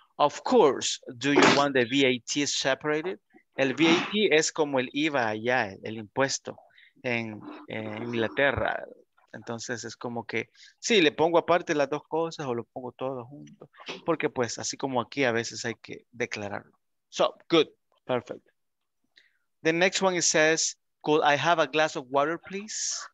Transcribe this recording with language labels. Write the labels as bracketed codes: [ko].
[en] Of course, do you want the VAT separated? [es] El VAT es como el IVA allá, el impuesto en Inglaterra. Entonces es como que, sí, le pongo aparte las dos cosas o lo pongo todo junto. Porque pues así como aquí a veces hay que declararlo. [en] So, good, perfect. The next one it says, could I have a glass of water, please?